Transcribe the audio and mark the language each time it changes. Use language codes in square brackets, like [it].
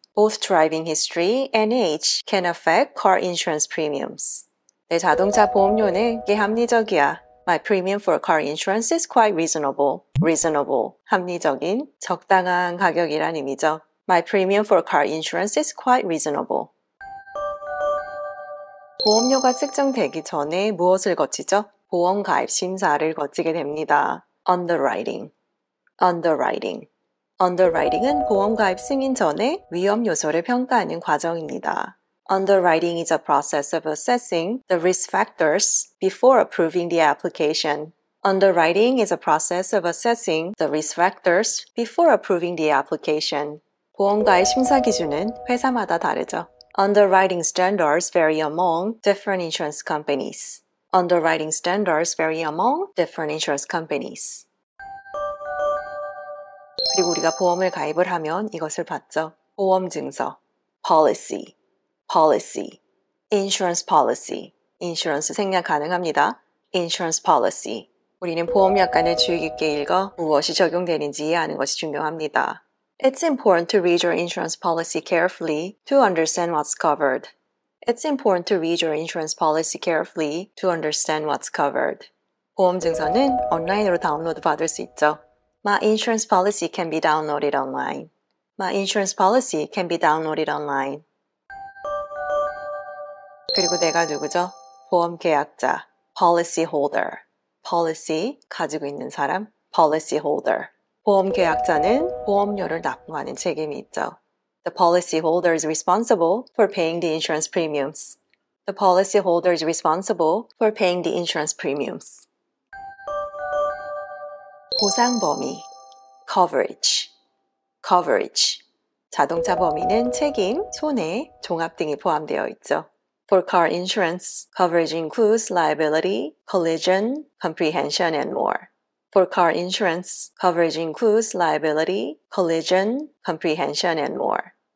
[en] Both driving history and age can affect car insurance premiums. [ko] 내 자동차 보험료는 꽤 합리적이야. [en] My premium for car insurance is quite reasonable. Reasonable. [ko] 합리적인, 적당한 가격이란 의미죠. [en] My premium for car insurance is quite reasonable. [ko] 보험료가 책정되기 전에 무엇을 거치죠? 보험 가입 심사를 거치게 됩니다. Underwriting. Underwriting. Underwriting은 보험 가입 승인 전에 위험 요소를 평가하는 과정입니다. [en] Underwriting is a process of assessing the risk factors before approving the application. Underwriting is a process of assessing the risk factors before approving the application. [ko] 보험 가입 심사 기준은 회사마다 다르죠. [en] Underwriting standards vary among different insurance companies. Underwriting standards vary among different insurance companies. [ko] 그리고 우리가 보험을 가입을 하면 이것을 받죠. 보험 증서. Policy. Policy. [en] Insurance policy. Insurance [ko] 생략 가능합니다. [en] Insurance policy. [ko] 우리는 보험 약관을 주의 깊게 읽어 무엇이 적용되는지 이해하는 것이 중요합니다. [en] It's important to read your insurance policy carefully to understand what's covered. It's important to read your insurance policy carefully to understand what's covered. [ko] 보험 증서는 온라인으로 다운로드 받을 수 있죠. [en] My insurance policy can be downloaded online. My insurance policy can be downloaded online. [ko] 그리고 내가 누구죠? 보험 계약자. Policy holder. Policy 가지고 있는 사람. [en] Policy holder. [ko] 보험 계약자는 보험료를 납부하는 책임이 있죠. [en] The policyholder is responsible for paying the insurance premiums. The policyholder is responsible for paying the insurance premiums. [ko] 보상 범위. Coverage. Coverage. 자동차 범위는 책임, 손해, 종합 등이 포함되어 있죠. [en] For car insurance, coverage includes liability, collision, comprehension, and more. For car insurance, coverage includes liability, collision, comprehension, and more.